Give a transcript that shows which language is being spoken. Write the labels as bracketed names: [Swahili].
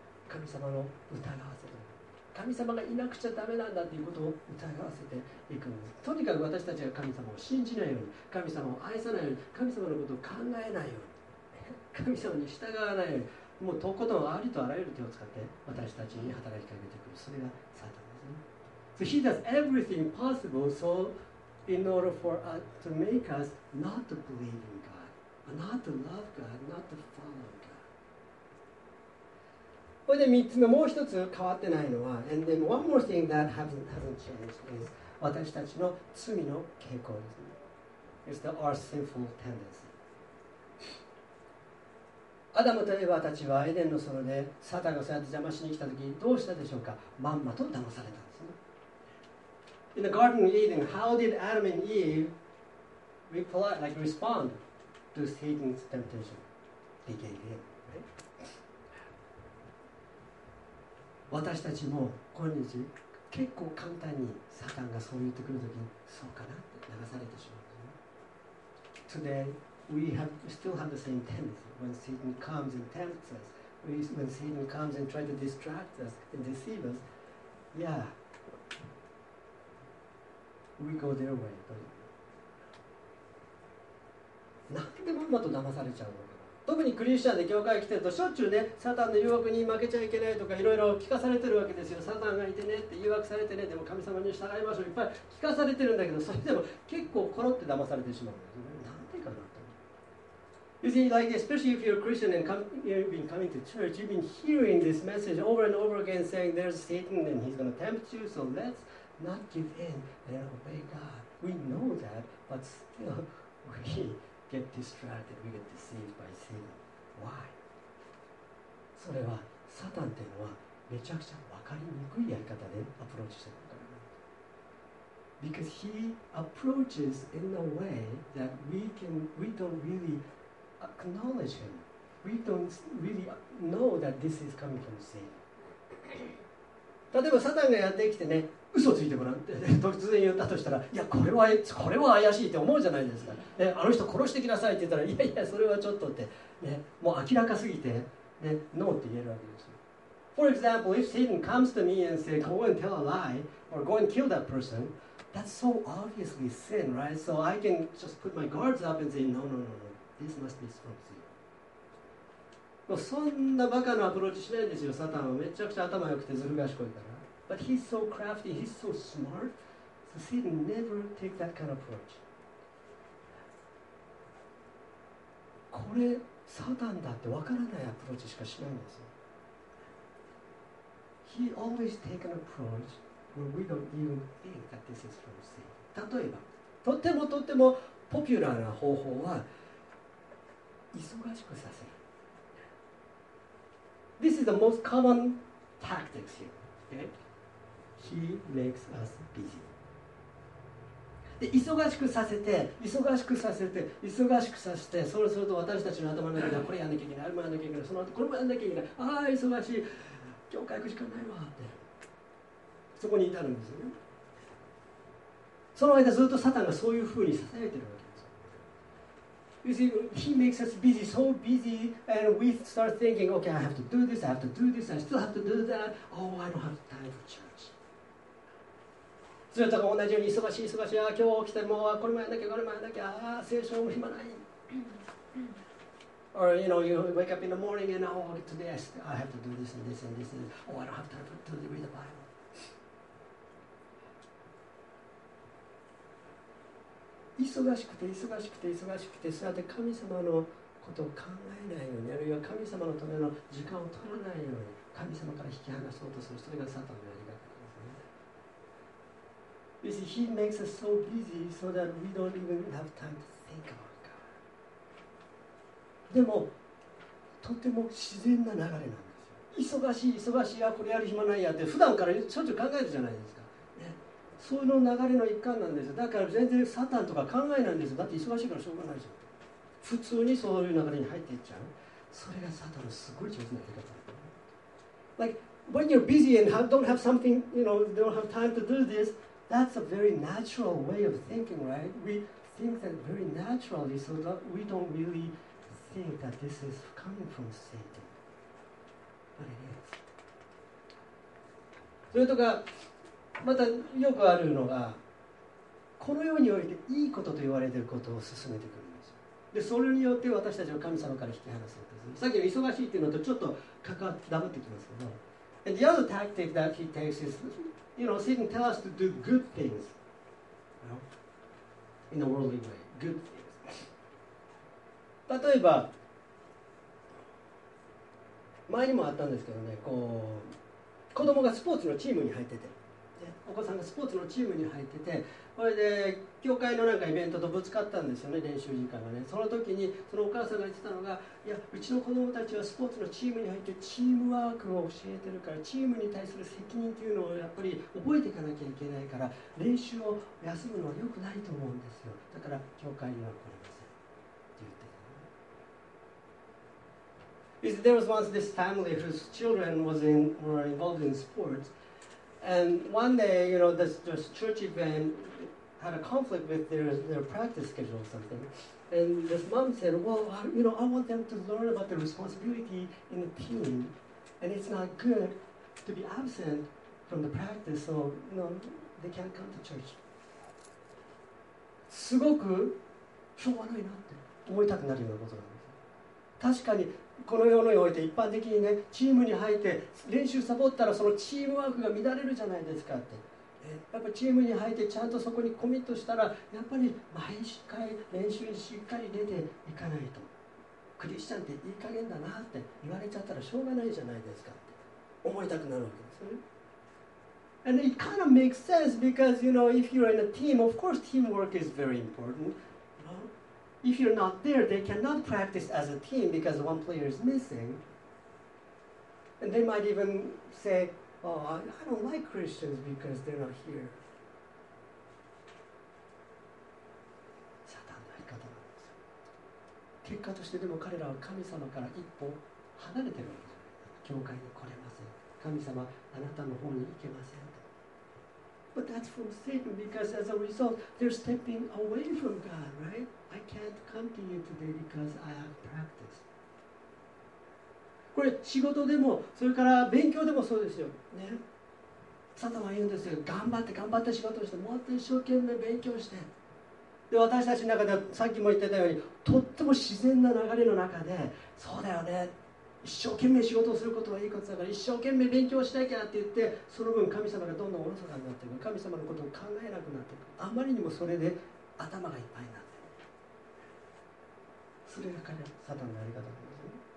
[Japanese] 神様の疑わせる、神様がいなくちゃダメなんだっていうことを疑わせていくんです。とにかく私たちが神様を信じないように、神様を愛さないように、神様のことを考えないように、神様に従わないように、もうとことんありとあらゆる手を使って私たちに働きかけてくる。それがサタンですね。 [English] So he does everything possible so in order for us to make us not to believe in God, not to love God, not to follow God. [Japanese] これで3つ目、もう一つ変わってないのは、 [English] and then one more thing that hasn't changed is [Japanese] 私たちの罪の傾向ですね。 [English] It's the our sinful tendency. [Japanese] アダムとエヴァたちはエデンの園でサタンがそうやって邪魔しに来たときどうしたでしょうか。まんまと騙されたんですね。 [English] In the Garden of Eden, how did Adam and Eve reply, like respond to Satan's temptation? They gave in, right? [Japanese] 私たちも今日結構簡単にサタンがそう言ってくるときにそうかなって流されてしまう。 [English] Today, we still have the same tendency. When Satan comes and tempts us, when Satan comes and tries to distract us and deceive us, yeah, we go their way. [Japanese] なんでまんまと騙されちゃうのか。特にクリスチャンで教会に来てるとしょっちゅうね、サタンの誘惑に負けちゃいけないとかいろいろ聞かされてるわけですよ。サタンがいてねって誘惑されてね、でも神様に従いましょう、いっぱい聞かされてるんだけど、それでも結構コロッて騙されてしまうんですよね。なんでかなと。 [English] You see, like, especially if you're a Christian and you've been coming to church, you've been hearing this message over and over again saying there's Satan and he's going to tempt you, so let's not give in and obey God. We know that, but still we get distracted, we get deceived by Satan. Why? [Japanese] それはサタンっていうのはめちゃくちゃ分かりにくいやり方でアプローチしてるから。 [English] Because he approaches in a way that we don't really acknowledge him. We don't really know that this is coming from Satan. [Japanese] 例えばサタンがやってきてね、嘘ついてごらんって突然言ったとしたら、いやこれは怪しいって思うじゃないですか、ね、あの人殺してきなさいって言ったら、いやいやそれはちょっとって、ね、もう明らかすぎて、ね、ノーって言えるわけですよ。 [English] For example, if Satan comes to me and say go and tell a lie or go and kill that person, that's so obviously sin, right? So I can just put my guards up and say no, no, no, no, this must be from sin. [Japanese] もうそんなバカなアプローチしないんですよ、サタンは。めちゃくちゃ頭良くてずる賢いから。 [English] But he's so crafty, he's so smart, so Satan never take that kind of approach. [Japanese] これサタンだってわからないアプローチしかしないんですよ。 [English] He always take an approach where we don't even think that this is from Satan. [Japanese] 例えば、とってもとってもポピュラーな方法は、忙しくさせる。 [English] This is the most common tactics here, okay? He makes us busy. [Japanese] で、忙しくさせて、そうすると私たちの頭の中ではこれやんなきゃいけない、あれもやんなきゃいけない、その後これもやんなきゃいけない、ああ、忙しい、教会行くしかないわって、そこに至るんですよね。その間ずっとサタンがそういうふうに支えてるわけです。 [English] You see, he makes us busy, so busy, and we start thinking, okay, I have to do this, I still have to do that, oh, I don't have time for church. [Japanese] それとか同じように忙しい、今日起きてもうこれもやんなきゃ、聖書も暇ない。 [English] Or, you know, you wake up in the morning and now, today I have to do this and this and this. Oh, I don't have time to read the Bible. [Japanese] 忙しくて、そうやって神様のことを考えないように、あるいは神様のための時間を取らないように、神様から引き離そうとする、それがサタンのやり方。 [English] You see, he makes us so busy so that we don't even have time to think about God. [Japanese] でも、とても自然な流れなんですよ。忙しい、これやる暇ないやって普段からしょっちゅう考えるじゃないですか、ね。その流れの一環なんですよ。だから全然サタンとか考えないんですよ。だって忙しいからしょうがないじゃん。普通にそういう流れに入っていっちゃう。それがサタンのすごい上手なやり方だ。 [English] Like, when you're busy and don't have something, you know, don't have time to do this,That's a very natural way of thinking, right? We think that very naturally, so that we don't really think that this is coming from Satan. But it is. [Japanese] それとか、またよくあるのが、この世においていいことと言われていることを進めてくるんですよ。で、それによって私たちは神様から引き離すんです。さっきの忙しいっていうのとちょっとかかってダブってきますけど、 [English] And the other tactic that he takes is, you know, Satan tells us to do good things, you know, in a worldly way, good things. [Japanese] 例えば、前にもあったんですけどね、こう、子供がスポーツのチームに入ってて、お子さんがスポーツのチームに入ってて、それで教会のなんかイベントとぶつかったんですよね、練習時間がね。その時にそのお母さんが言ってたのが、いや、うちの子供たちはスポーツのチームに入ってチームワークを教えてるから、チームに対する責任っていうのをやっぱり覚えていかなきゃいけないから、練習を休むのは良くないと思うんですよ、だから教会には来れませんって言ってた、ね。 [English] Is there was once this family whose children were involved in sportsAnd one day, you know, this church event had a conflict with their practice schedule or something. And this mom said, well, you know, I want them to learn about the responsibility in the team. And it's not good to be absent from the practice, so, you know, they can't come to church. [Japanese] すごくしょうがないなって思いたくなるようなことなんです。確かにこの世のにおいて一般的にね、チームに入って練習サボったらそのチームワークが乱れるじゃないですかって。やっぱチームに入ってちゃんとそこにコミットしたら、やっぱり毎回練習にしっかり出ていかないと、クリスチャンっていい加減だなって言われちゃったらしょうがないじゃないですかって思いたくなるわけですよね。 [English] And it kind of makes sense because you know if you're in a team, of course teamwork is very important. If you're not there, they cannot practice as a team because one player is missing. And they might even say,Oh, I don't like Christians because they're not here. [Japanese] サタンの生き方なんですよ。結果としてでも彼らは神様から一歩離れてるんです。教会に来れません。神様、あなたの方に行けません。 [English] But that's from Satan because as a result, they're stepping away from God, right? I can't come to you today because I have practice. [Japanese] これ仕事でもそれから勉強でもそうですよね。サタンは言うんですよ、頑張って頑張って仕事をして、もっと一生懸命勉強して、で私たちの中ではさっきも言ってたようにとっても自然な流れの中で、そうだよね、一生懸命仕事をすることはいいことだから一生懸命勉強しなきゃって言って、その分神様がどんどんおろそかになっていく、神様のことを考えなくなっていく、あまりにもそれで頭がいっぱいになって、それが彼サタンのやり方なんです。